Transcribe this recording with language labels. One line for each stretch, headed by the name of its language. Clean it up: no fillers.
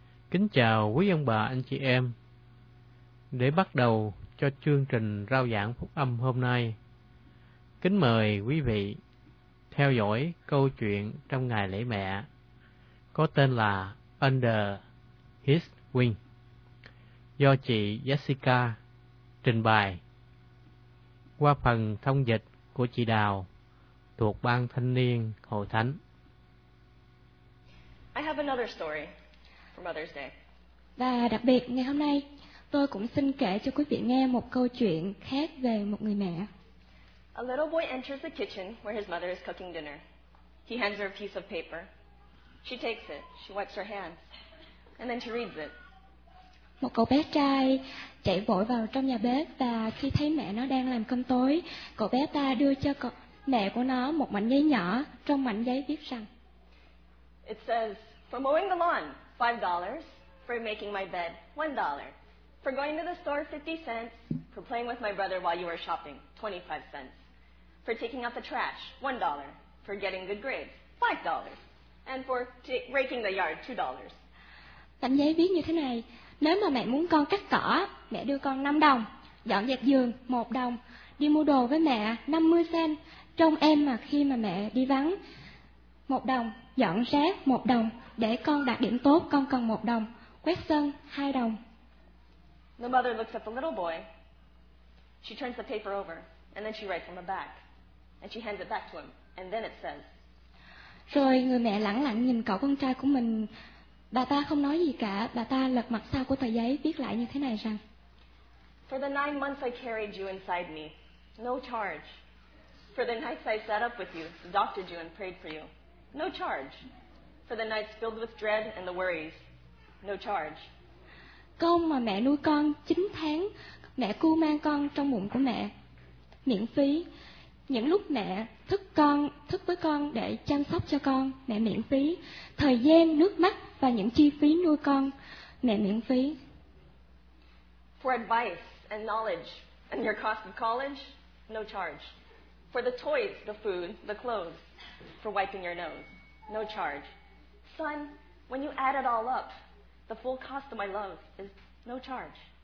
Vietnamese: Kính chào quý ông bà, anh chị em. Để bắt đầu cho chương trình rao giảng phúc âm hôm nay, kính mời quý vị theo dõi câu chuyện trong ngày lễ mẹ có tên là Under His Wing do chị Jessica trình bày qua phần thông dịch của chị Đào thuộc Ban Thanh niên Hội Thánh.
English: I have another story for Mother's Day.
Vietnamese: Và đặc biệt ngày hôm nay, tôi cũng xin kể cho quý vị nghe một câu chuyện khác về một người mẹ.
English: A little boy enters the kitchen where his mother is cooking dinner. He hands her a piece of paper. She takes it, she wipes her hands, and then she reads it.
Vietnamese: Một cậu bé trai chạy vội vào trong nhà bếp và khi thấy mẹ nó đang làm cơm tối, cậu bé ta đưa cho mẹ của nó một mảnh giấy nhỏ. Trong mảnh giấy viết rằng:
English: It says, for mowing the lawn, $5, for making my bed, $1, for going to the store, 50 cents, for playing with my brother while you were shopping, 25 cents, for taking out the trash, $1, for getting good grades, $5, and for raking the yard, $2.
Vietnamese: Mảnh giấy viết như thế này: Nếu mà mẹ muốn con cắt cỏ, mẹ đưa con 5 đồng, dọn dẹp giường 1 đồng, đi mua đồ với mẹ 50 sen, trông em mà khi mà mẹ đi vắng 1 đồng, dọn rác 1 đồng, để con đạt điểm tốt con cần 1 đồng, quét sân 2 đồng.
English: The mother looks at the little boy. She turns the paper over and then she writes on the back and she hands it back to him and then it says.
Vietnamese: Rồi người mẹ lẳng lặng nhìn cậu con trai của mình. Bà ta không nói gì cả, bà ta lật mặt sau của tờ giấy viết lại như thế này rằng:
English: For the 9 months I carried you inside me, no charge. For the nights I sat up with you, doctored you and prayed for you, no charge. For the nights filled with dread and the worries, no charge.
Vietnamese: Công mà mẹ nuôi con 9 tháng, mẹ cu mang con trong bụng của mẹ, miễn phí. Những lúc mẹ thức với con để chăm sóc cho con, mẹ miễn phí. Thời gian, nước mắt và những chi phí nuôi con, mẹ miễn phí.
English: For advice and knowledge and your cost of college, no charge. For the toys, the food, the clothes, for wiping your nose, no charge. Son, when you add it all up, the full cost of my love is no charge.